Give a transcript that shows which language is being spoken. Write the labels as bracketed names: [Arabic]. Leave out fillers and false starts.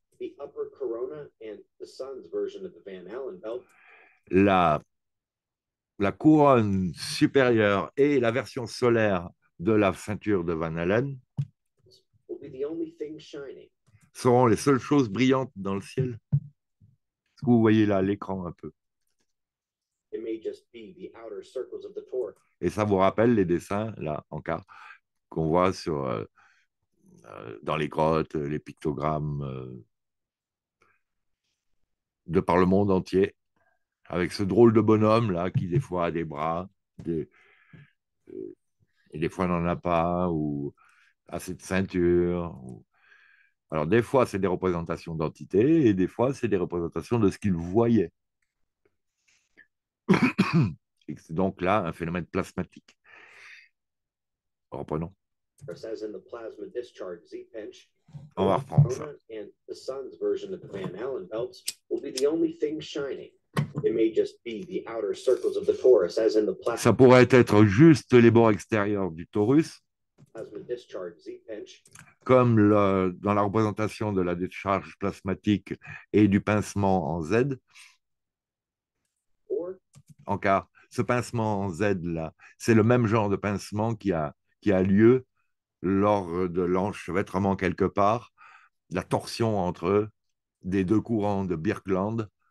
[English] the upper corona and the sun's version of the Van Allen belt, [French] la couronne supérieure et la version solaire de la ceinture de Van Allen [English] will be the only thing shining. [French] Seront les seules choses brillantes dans le ciel. Ce que vous voyez là à l'écran un peu. [English] It may just be the outer circles of the tour. [French] Et ça vous rappelle les dessins là en cas qu'on voit sur dans les grottes, les pictogrammes de par le monde entier, avec ce drôle de bonhomme là qui des fois a des bras, et des fois n'en a pas, ou a cette ceinture. Alors des fois c'est des représentations d'entités et des fois c'est des représentations de ce qu'il voyait. Et c'est donc là un phénomène plasmatique. Reprenons. [English] As in the plasma discharge Z-pinch, [French] on va reprendre ça. [English] And the sun's version of the Van Allen belts will be the only thing shining. It may just be the outer circles of the torus, as in the [French] plasma. Ça pourrait être juste les bords extérieurs du torus. [English] Plasma discharge Z-pinch. [French] Comme dans la représentation de la décharge plasmatique et du pincement en Z. En cas, ce pincement en Z, là, c'est le même genre de pincement qui a lieu lors de l'enchevêtrement quelque part, la torsion entre eux, des deux courants de Birkeland.